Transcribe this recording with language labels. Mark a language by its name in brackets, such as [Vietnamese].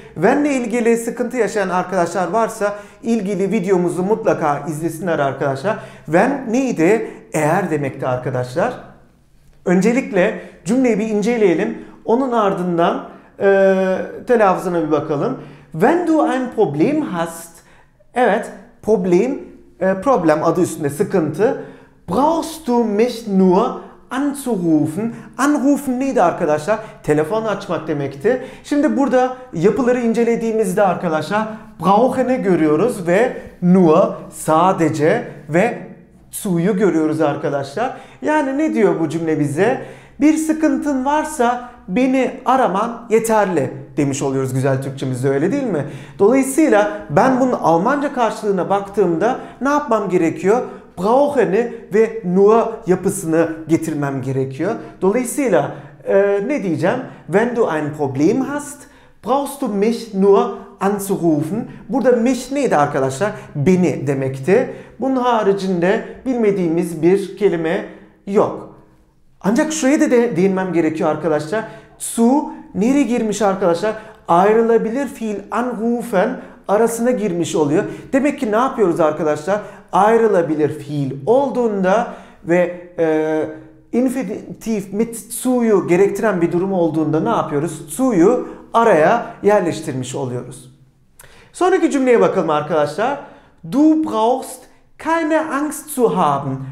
[Turkish] Wenn ile ilgili sıkıntı yaşayan arkadaşlar varsa ilgili videomuzu mutlaka izlesinler arkadaşlar. Wenn neydi? Eğer demekti arkadaşlar. Öncelikle cümleyi bir inceleyelim. Onun ardından telaffuzuna bir bakalım. [German] Wenn du ein Problem hast. [Turkish] Evet, problem, problem adı üstünde, sıkıntı. [German] Brauchst du mich nur anzurufen. [Turkish] Anrufen neydi arkadaşlar? Telefon açmak demekti. Şimdi burada yapıları incelediğimizde arkadaşlar, brauchen'i görüyoruz ve nur, sadece, ve zu'yu görüyoruz arkadaşlar. Yani ne diyor bu cümle bize? Bir sıkıntın varsa beni araman yeterli demiş oluyoruz güzel Türkçemizde, öyle değil mi? Dolayısıyla ben bunun Almanca karşılığına baktığımda ne yapmam gerekiyor? Brauchen'i ve nur yapısını getirmem gerekiyor. Dolayısıyla ne diyeceğim? [German] Wenn du ein Problem hast, brauchst du mich nur anzurufen. [Turkish] Burada mich neydi arkadaşlar? Beni demekti. Bunun haricinde bilmediğimiz bir kelime yok. Ancak şuraya da değinmem gerekiyor arkadaşlar. Zu nereye girmiş arkadaşlar? Ayrılabilir fiil anrufen arasına girmiş oluyor. Demek ki ne yapıyoruz arkadaşlar? Ayrılabilir fiil olduğunda ve infinitiv mit zu'yu gerektiren bir durum olduğunda ne yapıyoruz? Zu'yu araya yerleştirmiş oluyoruz. Sonraki cümleye bakalım arkadaşlar. [German] Du brauchst keine Angst zu haben.